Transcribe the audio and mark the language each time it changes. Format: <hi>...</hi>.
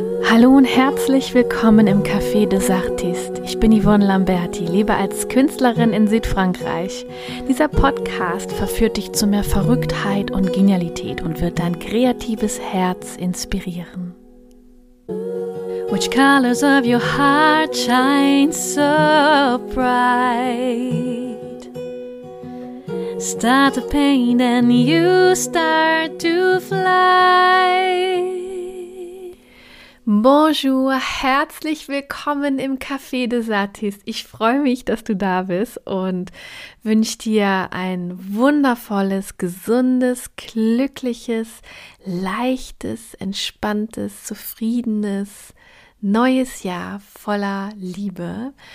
<de>Hallo und herzlich willkommen im Café des Artistes. Ich bin Yvonne Lamberti, lebe als Künstlerin in Südfrankreich. Dieser Podcast verführt dich zu mehr Verrücktheit und Genialität und wird dein kreatives Herz inspirieren.</de> <en>Which colors of your heart shine so bright? Start to paint and you start to fly.</en> <de>Bonjour, herzlich willkommen im Café des Artistes. Ich freue mich, dass du da bist und wünsche dir ein wundervolles, gesundes, glückliches, leichtes, entspanntes, zufriedenes, neues Jahr voller Liebe.</de>